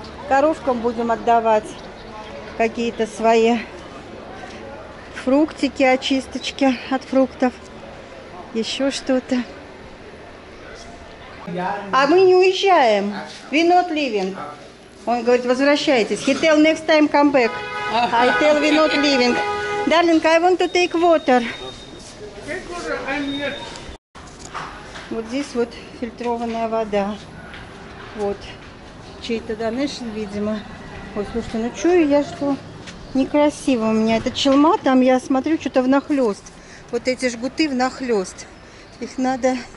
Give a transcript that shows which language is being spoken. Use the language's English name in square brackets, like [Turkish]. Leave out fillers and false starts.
[Russian] коровкам будем отдавать какие-то свои фруктики, очисточки от фруктов, еще что-то. А мы не уезжаем. [English] We not leaving. [Russian] Он говорит, возвращайтесь. [English] He tell next time come back. I tell we not leaving. Darling, I want to take water. [Russian] Вот здесь вот фильтрованная вода. Вот. Чей-то донейшн, видимо. Ой, слушайте, ну чую я, что некрасиво у меня. Это челма, там я смотрю, что-то внахлёст. Вот эти жгуты внахлёст. Их надо...